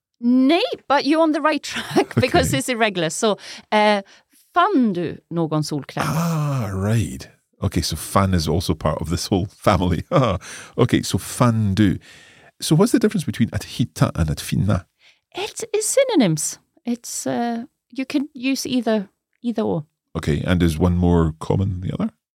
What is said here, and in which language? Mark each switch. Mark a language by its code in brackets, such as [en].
[en] Nej, but you're on the right track because okay. It's irregular. [sv] So, fann du någon solkräm? [en] Ah, right. Okay, so fan is also part of this whole family. Okay, so [sv] fann du. [en] So what's the difference between att hitta and att finna? It's synonyms. It's you can use either or. Okay, and is one more common than the other?